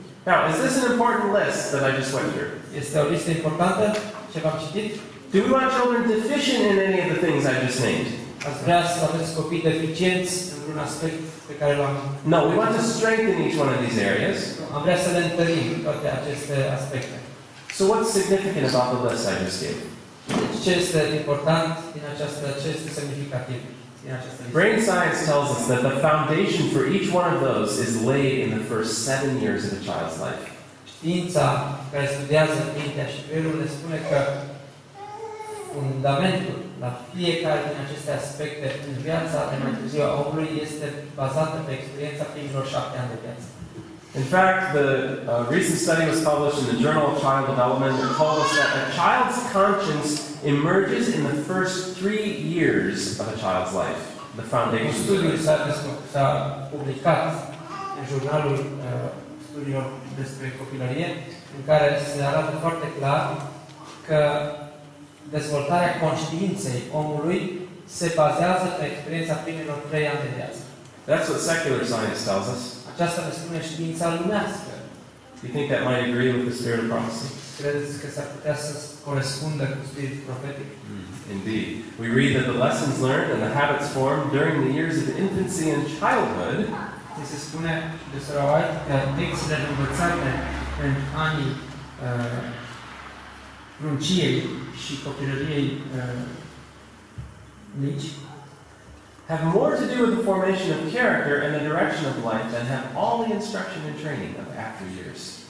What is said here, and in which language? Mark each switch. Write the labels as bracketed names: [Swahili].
[English] Now, is this an important list that I just went through? [Romanian] Este o listă importantă ce v-am citit? [English] Do we want children deficient in any of the things I just named? [Romanian] Ați vrea să aveți copii deficienți în un aspect pe care l-am... [English] No, we want to strengthen each one of these areas. [Romanian] Am vrea să le întărim toate aceste aspecte. [English] So what's significant about the list I just gave? [Romanian] Deci ce este important din această, ce este semnificativ? [English] Brain science tells us that the foundation for each one of those is laid in the first 7 years of a child's life. [Romanian] Știința care studiază mintea și creierul ne spune că fundamentul la fiecare din aceste aspecte în viața de mai târziu a omului este bazată pe experiența primilor 7 ani de viață. [English] In fact, the recent study was published in the Journal of Child Development and told us that a child's conscience emerges in the first 3 years of a child's life. The foundation. [Romanian] Un studiu s-a publicat în jurnalul studiilor despre copilărie, în care se arată foarte clar că dezvoltarea conștiinței omului se bazează pe experiența primilor 3 ani de viață. [English] That's what secular science tells us. [Romanian] Aceasta ne spune știința lumească. [English] Do you think that might agree with the spirit of prophecy? [Romanian] Credeți că s-ar putea să corespundă cu spiritul profetic? [English] Indeed. We read that the lessons learned and the habits formed during the years of infancy and childhood. [Romanian] Ni se spune de Sora White că lecțiile învățate în anii pruncii și copilăriei mici [English] have more to do with the formation of character and the direction of life than have all the instruction and training of after years.